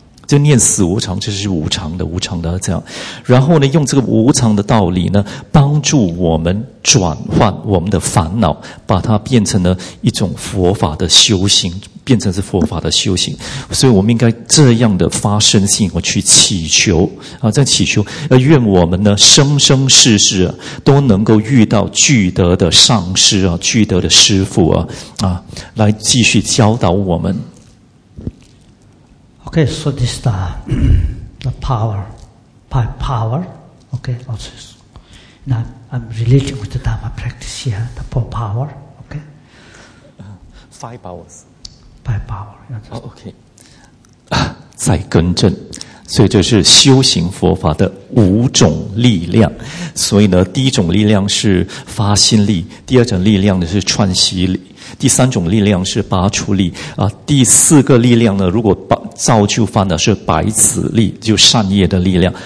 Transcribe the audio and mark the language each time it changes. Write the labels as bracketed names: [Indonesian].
[Chinese] 就念死无常，这是无常的，无常的这样。然后呢，用这个无常的道理呢，帮助我们转换我们的烦恼，把它变成了一种佛法的修行，变成是佛法的修行。所以我们应该这样的发生心，我去祈求啊，在祈求，愿我们呢生生世世、啊、都能够遇到具德的上师啊，具德的师父啊，啊，来继续教导我们。 [English] Okay, so this is the power, by power, okay, also, now I'm relating with the Dharma practice here, the four power, okay? Five powers. Five power, yeah. Oh, okay. [Chinese] 再更正，所以这是修行佛法的五种力量。所以呢，第一种力量是发心力，第二种力量呢是串习力，第三种力量是拔除力啊，第四个力量呢，如果造就犯的是白子力，就善业的力量。